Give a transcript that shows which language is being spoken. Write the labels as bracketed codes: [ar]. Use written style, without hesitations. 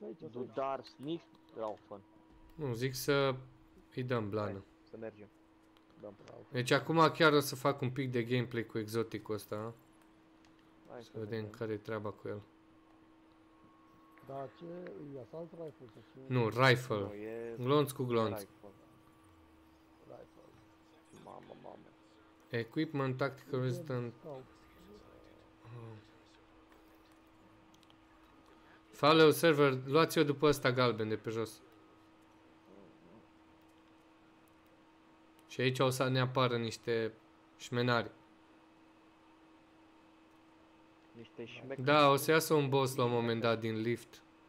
[de] Du darfst nicht rauchen. [ro] Nu, zic să îi dăm blană. Hai, să mergem. Dăm rauchen. Deci acum chiar o să fac un pic de gameplay cu exoticul ăsta, a? Să vedem care e treaba cu el. Da, ce? E assault rifle? Ce... Nu, rifle. Glonț cu glonț. Rifle. Mamă. [en] Equipment, tactical resistant. Follow server, [ro] luați-o după ăsta galben de pe jos. Și aici o să ne apară niște șmenari. Da, o să iasă un boss la un moment dat din lift.